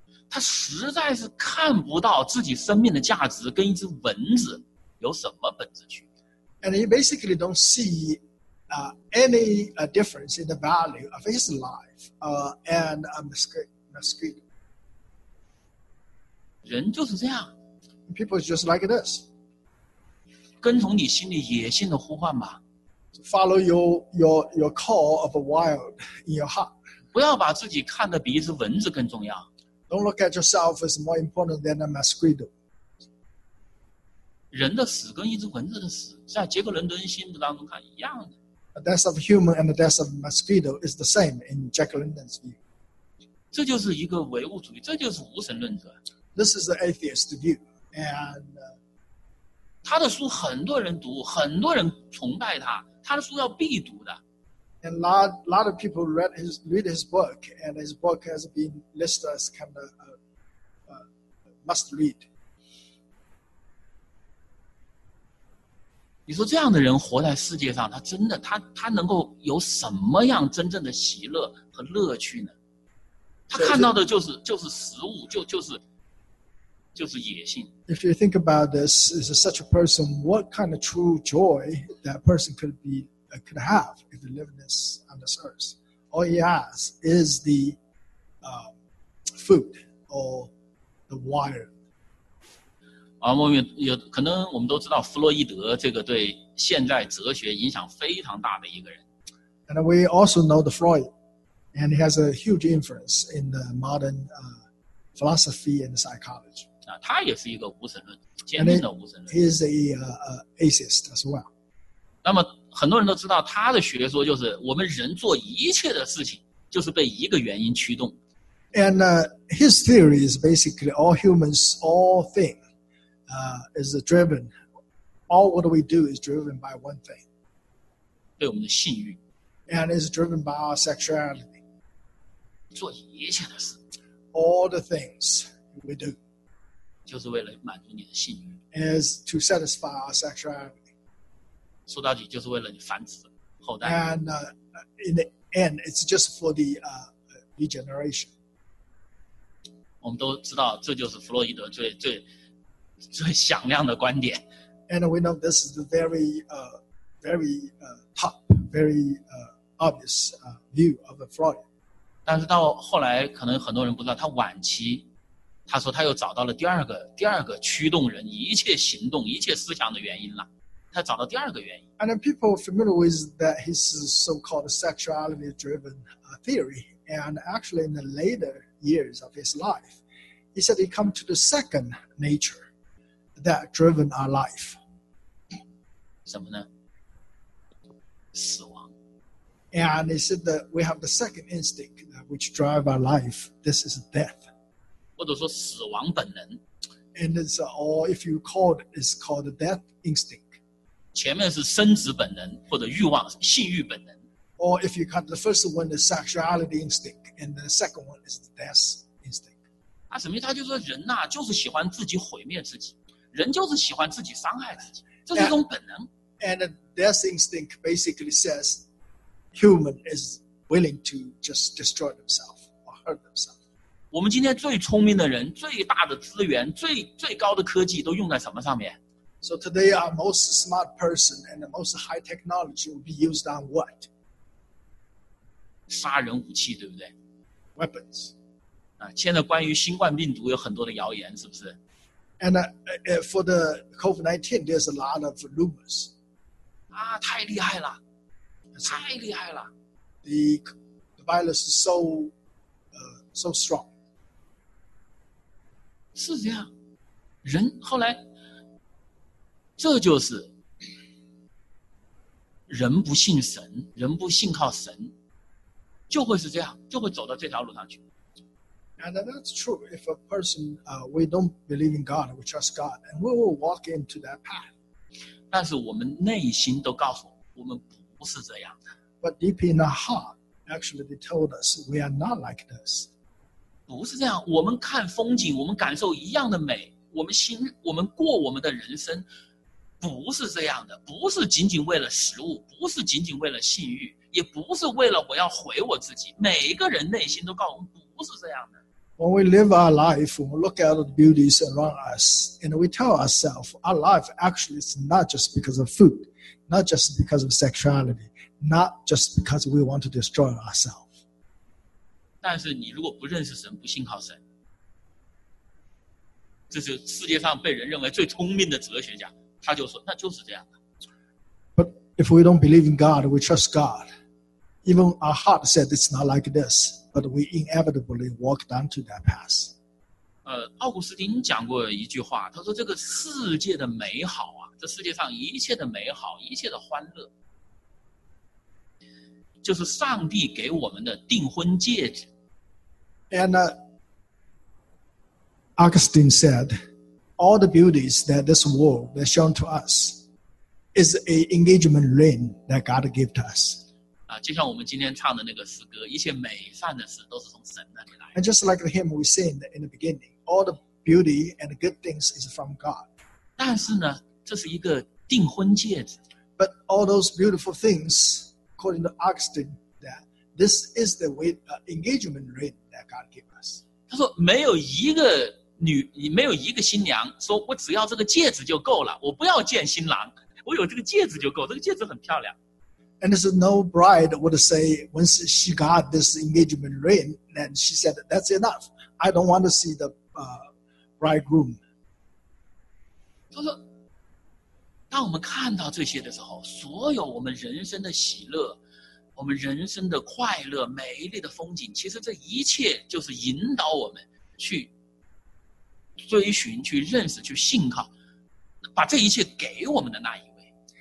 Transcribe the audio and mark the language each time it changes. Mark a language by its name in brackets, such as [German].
[Chinese] 他实在是看不到自己生命的价值跟一只蚊子有什么本质区别。 [English] And he basically don't see any difference in the value of his life and a mosquito. [Chinese] 人就是这样。 [English] People is just like this. [Chinese] 跟从你心里野性的呼唤吧。 [English] Follow your call of a wild in your heart. [Chinese] 不要把自己看得比一只蚊子更重要。 [English] Don't look at yourself as more important than a mosquito. [Chinese] 人的死跟一只蚊子的死，在杰克伦敦心目当中看一样的。 [English] The death of human and the death of mosquito is the same in Jack London's view. [Chinese] 这就是一个唯物主义，这就是无神论者。 [English] This is the atheist view, and [Chinese] 他的书很多人读，很多人崇拜他，他的书要必读的。 [English] And a lot of people read his book, and his book has been listed as kind of must read. [Chinese] 你说这样的人活在世界上，他真的他能够有什么样真正的喜乐和乐趣呢？他看到的就是食物，就是野性。 [English] If you think about this, is such a person, what kind of true joy that person could have if he lived this on this earth? All he has is the food or the water. [Chinese] 啊，我们有可能我们都知道弗洛伊德这个对现代哲学影响非常大的一个人。 [English] And we also know the Freud. And he has a huge influence in the modern philosophy and psychology. [Chinese] 啊，他也是一个无神论，坚定的无神论。 [English] He is a atheist as well. [Chinese] 那么很多人都知道他的学说就是我们人做一切的事情就是被一个原因驱动。 [English] And his theory is basically all humans, all things, is driven. All what we do is driven by one thing. [Chinese] 被我们的性欲。 [English] And is driven by our sexuality. [Chinese] 做一切的事。 [English] All the things we do. [Chinese] 就是为了满足你的性欲。 [English] Is to satisfy our sexuality. [Chinese] 说到底就是为了你繁殖后代。 [English] And in the end, it's just for the regeneration. [Chinese] 我们都知道这就是弗洛伊德最响亮的观点。 [English] And we know this is the very, very top, very,obvious view of the Freud. [Chinese] 但是到后来可能很多人不知道他晚期他说他又找到了第二个驱动人一切行动一切思想的原因了他找到第二个原因 [English] And people are familiar with that his so-called sexuality-driven theory and actually in the later years of his life he said he come to the second nature that driven our life [Chinese] 什么呢死亡 [English] And he said that we have the second instinct which drives our life. This is death. [Chinese] 或者说死亡本能。 [English] And it's all, if you call it, it's called the death instinct. [Chinese] 前面是生殖本能或者欲望性欲本能。 [English] Or if you cut the first one, the sexuality instinct, and the second one is the death instinct. [Chinese] 啊，什么意思？他就说人呐，就是喜欢自己毁灭自己，人就是喜欢自己伤害自己，这是一种本能。 [English] And the death instinct basically says. Human is willing to just destroy themselves or hurt themselves. [Chinese] 我们今天最聪明的人，最大的资源，最高的科技都用在什么上面 [English] ？So today, our most smart person and the most high technology will be used on what? [Chinese] 杀人武器，对不对 [English] ？Weapons. [Chinese] 啊，现在关于新冠病毒有很多的谣言，是不是 [English] ？And for the COVID-19, there's a lot of rumors. [Chinese] 啊，太厉害了。太厉害了 [English] the virus is so strong [Chinese] 是这样人后来这就是人不信神人不信靠神就会是这样就会走到这条路上去 [English] and that's true if a person we don't believe in God we trust God and we will walk into that path [Chinese] 但是我们内心都告诉我们不是这样的 [English] But deep in our heart, actually, they told us we are not like this. [Chinese] 不是这样，我们看风景，我们感受一样的美，我们过我们的人生，不是这样的，不是仅仅为了食物，不是仅仅为了性欲，也不是为了我要毁我自己。每一个人内心都告诉我们不是这样的。 [English] When we live our life, we look at the beauties around us, and we tell ourselves our life actually is not just because of food. Not just because of sexuality, not just because we want to destroy ourselves. [Chinese] 但是你如果不认识神，不信靠神，这是世界上被人认为最聪明的哲学家，他就说那就是这样的。 [English] But if we don't believe in God, we trust God. Even our heart said it's not like this, but we inevitably walk down to that path. [Chinese] 奥古斯丁讲过一句话，他说这个世界的美好啊。这世界上一切的美好，一切的欢乐，就是上帝给我们的订婚戒指。 [English] And Augustine said, all the beauties that this world has shown to us is an engagement ring that God gave to us. [Chinese] 就像我们今天唱的那个诗歌，一切美善的事都是从神那里来。 [English] And just like the hymn we sing in the beginning, all the beauty and the good things is from God. [Chinese] 但是呢，这是一个订婚戒指。 [English] But all those beautiful things, according to Augustine, that this is the way, engagement ring that God gave us. [Chinese] 他说没有一个女，没有一个新娘说我只要这个戒指就够了，我不要见新郎，我有这个戒指就够，这个戒指很漂亮。 [English] And there's no bride would say once she got this engagement ring, then she said that's enough. I don't want to see the bridegroom. [Chinese] 他说当我们看到这些的时候，所有我们人生的喜乐，我们人生的快乐，美丽的风景，其实这一切就是引导我们去追寻，去认识，去信靠，把这一切给我们的那一位。